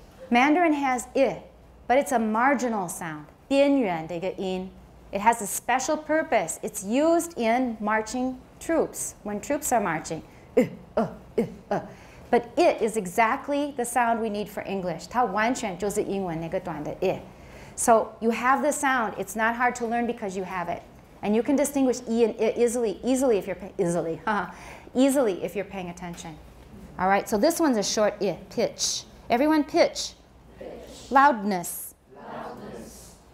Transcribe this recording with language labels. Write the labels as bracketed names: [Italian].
[English] Mandarin has I, but it's a marginal sound. [Chinese] 边缘的一个音. [English] It has a special purpose. It's used in marching troops, when troops are marching. But I is exactly the sound we need for English. [Chinese] 它完全就是英文那个短的I. [English] So you have the sound. It's not hard to learn because you have it. And you can distinguish I and I easily if you're easily if you're paying attention. All right, so this one's a short I, pitch. Everyone, pitch. Loudness. Loudness.